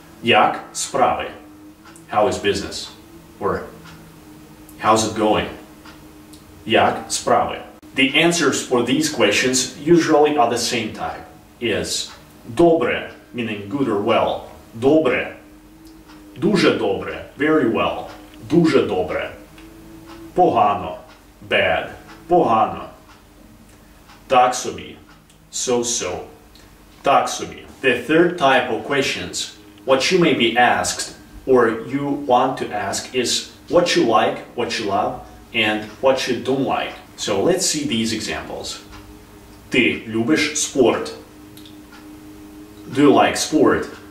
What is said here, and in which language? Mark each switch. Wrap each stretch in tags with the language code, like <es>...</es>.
<uk>Як справи?</uk> <en>How is business? Or how's it going? Як справи? The answers for these questions usually are the same type. Is добре, meaning good or well. Добре.</en> <uk>Дуже добре,</uk> <en>very well.</en> <uk>Дуже добре. Погано, bad, погано. Так собі, so-so, так собі.</uk> <en>The third type of questions, what you may be asked or you want to ask is what you like, what you love, and what you don't like. So let's see these examples.</en> <uk>Ти любиш спорт?</uk> <en>Do you like sport?</en>